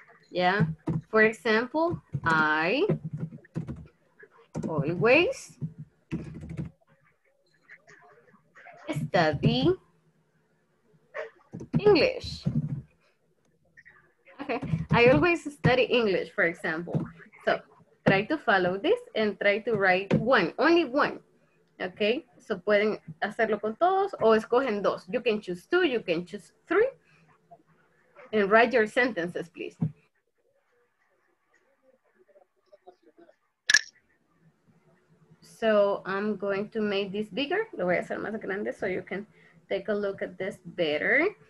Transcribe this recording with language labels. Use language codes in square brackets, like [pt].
[en] Yeah. For example, I always study English. Okay. I always study English, for example. So try to follow this and try to write one, only one. Okay. [es] So pueden hacerlo con todos o escogen dos. [en] You can choose two, you can choose three. And write your sentences, please. So I'm going to make this bigger. [es] Lo voy a hacer más grande [en] so you can take a look at this better.